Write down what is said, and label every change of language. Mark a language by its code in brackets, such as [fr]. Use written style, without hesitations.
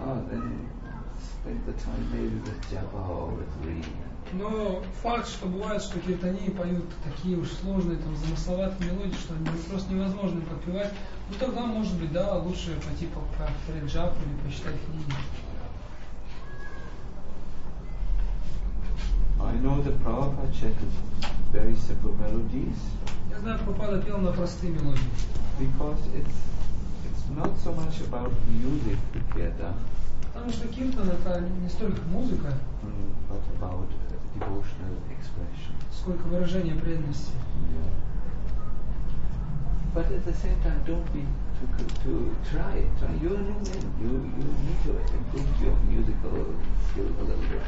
[en] Then spend the time maybe with japa or with reading. [ru] Но факт, что бывает, что киртани поют такие уж сложные, там замысловатые мелодии, что они просто невозможно подпевать, ну тогда, может быть, да, лучше пойти по джапу или почитать книги. [en] I know the Prabhupada chanted very simple melodies. [ru] Я знаю, Прабхупада пел на простые мелодии. [en] Because it's not so much about music, kirtan. [ru] Потому что киртан это не столько музыка, [en] but about devotional expression. [ru] Сколько выражение преданности. [en] Yeah. But at the same time, don't be to try it. You're a new man. You need to improve your musical skill a little bit.